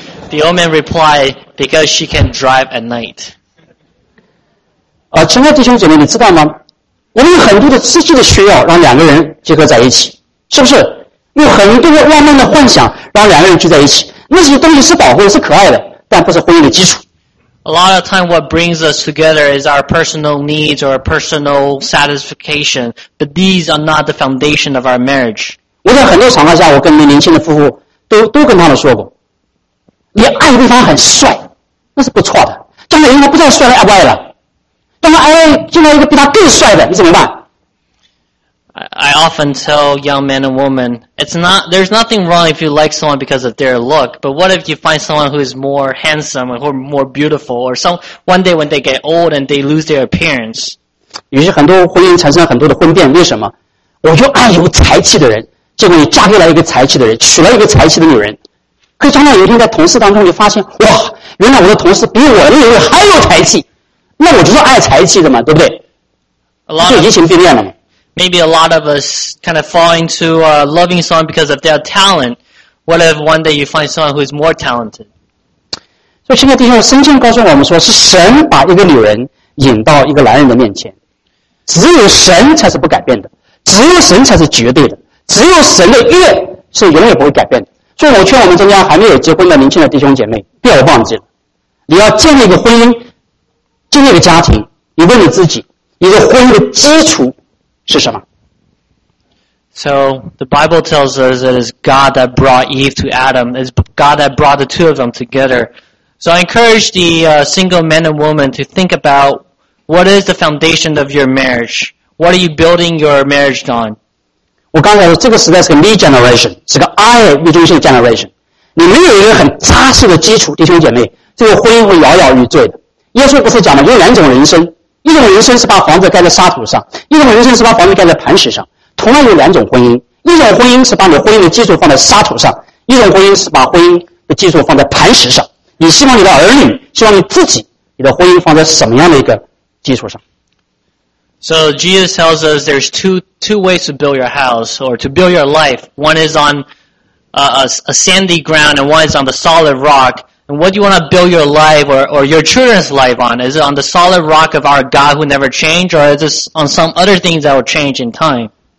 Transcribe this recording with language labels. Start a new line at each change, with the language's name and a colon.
English: The old man replied, because she can drive at night.
Chinese: 亲爱的弟兄姐妹，你知道吗？我们有很多的实际的需要让两个人结合在一起，是不是？有很多的浪漫的幻想让两个人聚在一起，那些东西是宝贵是可爱的，但不是婚姻的基础。
English: A lot of time what brings us together is our personal needs or personal satisfaction, but these are not the foundation of our marriage.
Chinese: 我在很多场合下我跟年轻的夫妇都跟他们说过，你爱对方很帅那是不错的，将来因为他不知道帅了爱不爱了，当他爱进来一个比他更帅的你怎么办？
English: I often tell young men and women, there's nothing wrong if you like someone because of their look, but what if you find someone who is more handsome or more beautiful, or one day when they get old and they lose their appearance?
Chinese: 有些很多婚姻产生很多的婚变，为什么？我就爱有才气的人，结果你嫁给了一个才气的人，娶了一个才气的女人，可是将来有一天在同事当中就发现，哇，原来我的同事比我的女人还有才气，那我就是爱才气的嘛，对不对？就移情别恋了嘛。
English: Maybe a lot of us kind of fall into loving someone because of their talent. What if one day you find someone who is more talented? So,
Chinese: 亲爱的弟兄，圣经告诉我们说，是神把一个女人引到一个男人的面前。只有神才是不改变的，只有神才是绝对的，只有神的约是永远不会改变的。所以我劝我们这边还没有结婚的年轻的弟兄姐妹，不要忘记了，你要建立一个婚姻，建立一个家庭，你问你自己，你的婚姻的基础。
English: So the Bible tells us that it's God that brought Eve to Adam. It's God that brought the two of them together. So I encourage the single men and women to think about what is the foundation of your marriage. What are you building your marriage on?
Chinese: 我刚才说这个时代是个
English: me generation,
Chinese: 是个 I 为中心的 generation. 你没有一个很扎实的基础，弟兄姐妹，这个婚姻会摇摇欲坠的。耶稣不是讲了有两种人生？一种人生是把房子盖在沙土上，一种人生是把房子盖在磐石上。同样有两种婚姻，一种婚姻是把你婚姻的基础放在沙土上，一种婚姻是把婚姻的基础放在磐石上。你希望你的儿女，希望你自己，你的婚姻放在什么样的一个基础上？
English: So Jesus tells us there's two ways to build your house or to build your life. One is on a sandy ground and one is on the solid rock. And what do you want to build your life or your children's life on? Is it on the solid rock of our God who never changed, or is it on some other things that will change in time?